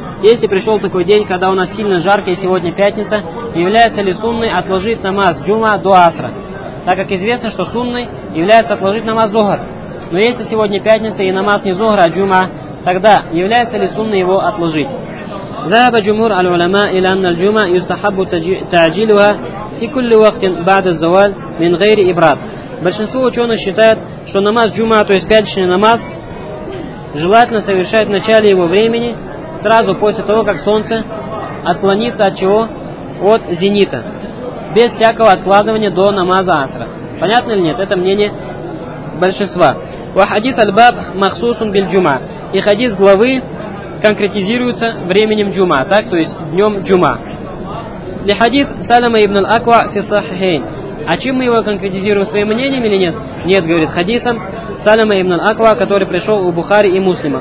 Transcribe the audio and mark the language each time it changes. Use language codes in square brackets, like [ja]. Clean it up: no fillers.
[ru] Если пришел такой день, когда у нас сильно жарко, и сегодня пятница, является ли сунной отложить намаз джума до асра? Так как известно, что сунной является отложить намаз зухр. Но если сегодня пятница, и намаз не зухр, а джума, тогда является ли сунной его отложить? [ar] ذهب جمهور العلماء إلى أن الجمعة يستحب تعجيلها في كل وقت بعد الزوال من غير إبراد. [ru] Большинство ученых считает, что намаз джума, то есть пятничный намаз, желательно совершать в начале его времени, сразу после того, как солнце отклонится от чего? От зенита, без всякого откладывания до намаза асра. Понятно или нет? Это мнение большинства. [ar] وحديث الباب مخصوص بالجمعة. [ru] И хадис главы конкретизируется временем джума, так, то есть днем джума. [ar] Ли хадис Салама ибн аль-Аква фи сахихейн. [ru] А чем мы его конкретизируем, своим мнением или нет? Нет, говорит, хадисом Салама ибн аль-Аква, который пришел у Бухари и Муслима.